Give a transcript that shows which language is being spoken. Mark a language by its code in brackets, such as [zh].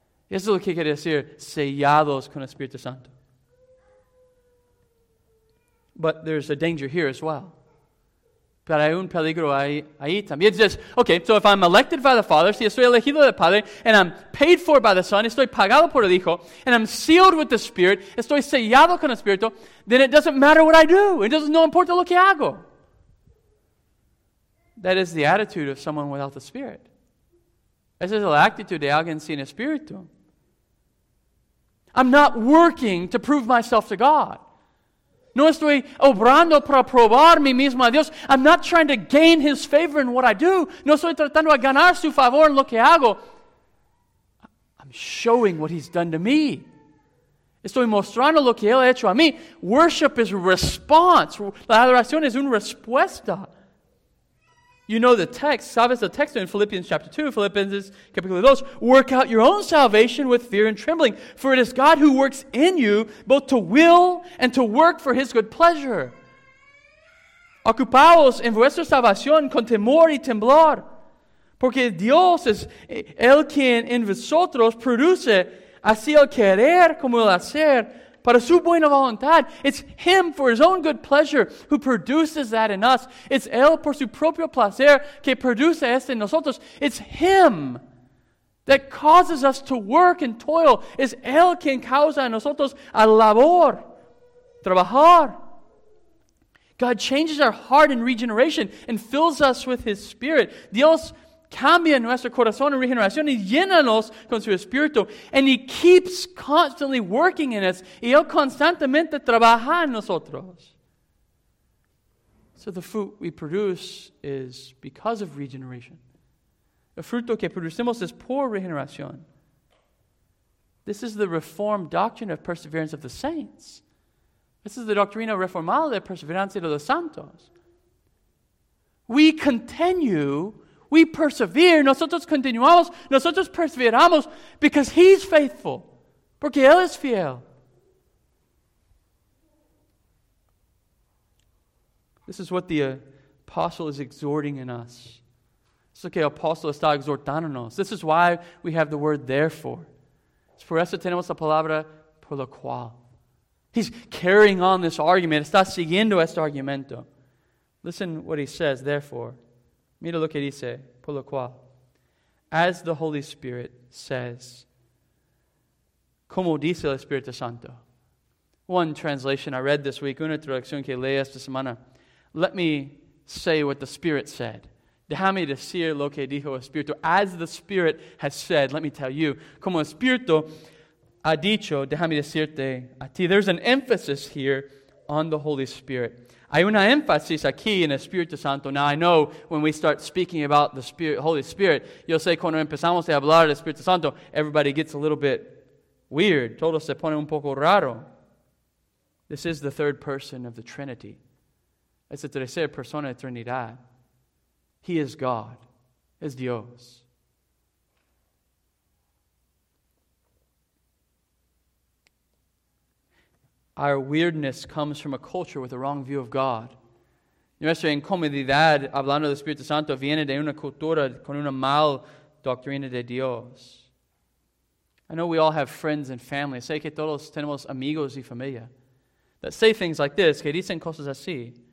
[es] Eso es lo que quiere decir, sellados con el Espíritu Santo. [en] But there's a danger here as well. [es] Pero hay un peligro ahí también. [en] It says, okay, so if I'm elected by the Father, [es] si estoy elegido del Padre, [en] and I'm paid for by the Son, [es] estoy pagado por el Hijo, [en] and I'm sealed with the Spirit, [es] estoy sellado con el Espíritu, [en] then it doesn't matter what I do. It doesn't [es] no importa lo que hago. [en] That is the attitude of someone without the Spirit. [es] Esa es la actitud de alguien sin Espíritu. [en] I'm not working to prove myself to God. [es] No estoy obrando para probar mi mismo a Dios. [en] I'm not trying to gain His favor in what I do. [es] No estoy tratando de ganar su favor en lo que hago. [en] I'm showing what He's done to me. [es] Estoy mostrando lo que Él ha hecho a mí. [en] Worship is a response. [es] La adoración es una respuesta. [en] You know the text. [es] Sabes el texto [en] in Philippians chapter 2. Philippians capítulo 2. Work out your own salvation with fear and trembling. For it is God who works in you both to will and to work for His good pleasure. [es] Ocupaos en vuestra salvación con temor y temblor. Porque Dios es el quien en vosotros produce así el querer como el hacer para su buena voluntad. [en] It's Him for His own good pleasure who produces that in us. It's [es] Él por su propio placer que produce esto en nosotros. [en] It's Him that causes us to work and toil. [es] Es Él quien causa a nosotros a labor, trabajar. [en] God changes our heart in regeneration and fills us with His Spirit. [es] Dios cambia nuestro corazón en regeneración y llénanos con su Espíritu. [en] And He keeps constantly working in us. [es] Y Él constantemente trabaja en nosotros. [en] So the fruit we produce is because of regeneration. [es] El fruto que producimos es por regeneración. [en] This is the Reformed doctrine of perseverance of the saints. This is the [es] doctrina reformal de perseverancia de los santos. [en] We continue. We persevere, [es] nosotros continuamos, nosotros perseveramos [en] because He's faithful, [es] porque Él es fiel. [en] This is what the apostle is exhorting in us. [es] Es lo que el apóstol está exhortándonos. [en] This is why we have the word therefore. [es] Es por eso tenemos la palabra por lo cual. [en] He's carrying on this argument, [es] está siguiendo este argumento. [en] Listen what he says, therefore. [es] Mira lo que dice, por lo cual, [en] as the Holy Spirit says, [es] como dice el Espíritu Santo. [en] One translation I read this week, [es] una traducción que leí esta semana. [en] Let me say what the Spirit said. [es] Déjame decir lo que dijo el Espíritu. [en] As the Spirit has said, let me tell you. [es] Como el Espíritu ha dicho, déjame decirte a ti. [en] There's an emphasis here on the Holy Spirit. [es] Hay una énfasis aquí en el Espíritu Santo. [en] Now, I know when we start speaking about the Spirit, Holy Spirit, [es] yo sé cuando empezamos a hablar del Espíritu Santo, [en] everybody gets a little bit weird. [es] Todo se pone un poco raro. [en] This is the third person of the Trinity. [es] Es la tercera persona de Trinidad. [en] He is God. [es] Es Dios. [en] Our weirdness comes from a culture with a wrong view of God. [es] Nuestra incomodidad, hablando del Espíritu Santo, viene de una cultura con una mal doctrina de Dios. [en] I know we all have friends and family. [es] Sé que todos tenemos amigos y familia [en] that say things like this, [es] que dicen cosas así.